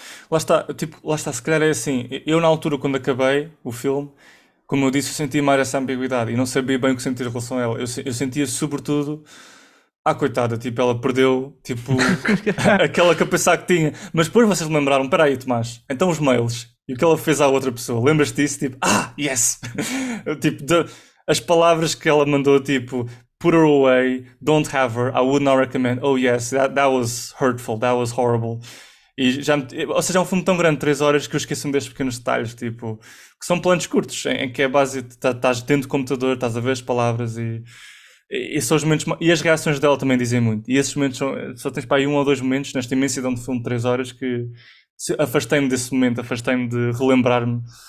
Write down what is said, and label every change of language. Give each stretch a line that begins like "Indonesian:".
Portuguese: Lá está, tipo, lá está, se calhar é assim. Eu na altura, quando acabei o filme, como eu disse, eu senti mais essa ambiguidade e não sabia bem o que sentir em relação a ela. Eu sentia sobretudo, coitada, tipo, ela perdeu, tipo, aquela capacidade que tinha. Mas depois vocês lembraram, espera aí, Tomás, então os mails e o que ela fez à outra pessoa, lembras-te disso? Tipo, ah, yes! Tipo, as palavras que ela mandou, tipo,
English: put her away, don't have her, I would not recommend, oh yes, that was hurtful, that was horrible.
Portuguese: E já, ou seja, é um filme tão grande, 3 horas, que eu esqueço-me destes pequenos detalhes, tipo, que são planos curtos, em que é base, estás dentro do computador, estás a ver as palavras e são os momentos, e as reações dela também dizem muito. E esses momentos só tens para aí um ou dois momentos nesta imensidão de filme de 3 horas que afastei-me desse momento, afastei-me de relembrar-me.